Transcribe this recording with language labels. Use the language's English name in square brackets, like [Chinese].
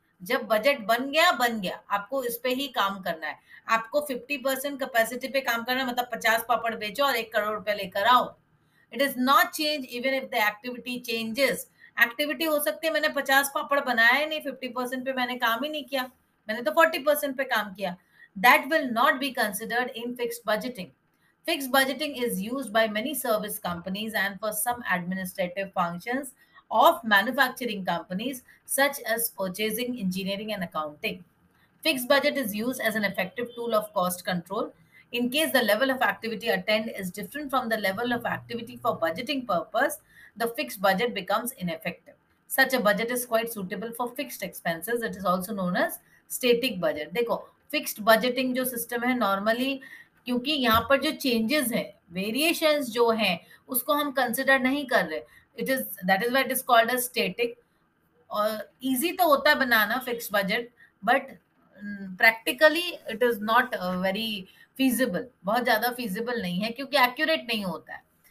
[Hindi] जब बजट बन गया आपको इस पे ही काम करना है, आपको 50% कैपेसिटी पे काम करना है, मतलब 50 पापड़ बेचो और 1 करोड़ रुपया लेकर आओ। [English] It is not change even if the activity changes. [Hindi] Activity हो सकती है मैंने 50 पापड़ बनाया नहीं, 50% पे मैंने काम ही नहीं किया, मैंने तो 40% पे काम किया। [English] That will not be considered in fixed budgeting. Fixed budgeting is used by many service companies and for some administrative functions of manufacturing companies such as purchasing, engineering and accounting. Fixed budget is used as an effective tool of cost control. In case the level of activity attained is different from the level of activity for budgeting purpose, the fixed budget becomes ineffective. Such a budget is quite suitable for fixed expenses. It is also known as static budget. [Hindi] देखो fixed budgeting जो system है normally, क्योंकि यहाँ पर जो changes है, variations जो है उसको हम कंसिडर नहीं कर रहे, [English] It is that is why it is called a static. [Hindi] और इजी तो होता है बनाना fixed budget, [English] but practically it is not very feasible, [Hindi] बहुत ज़्यादा फीजिबल नहीं है क्योंकि एक्यूरेट नहीं होता है।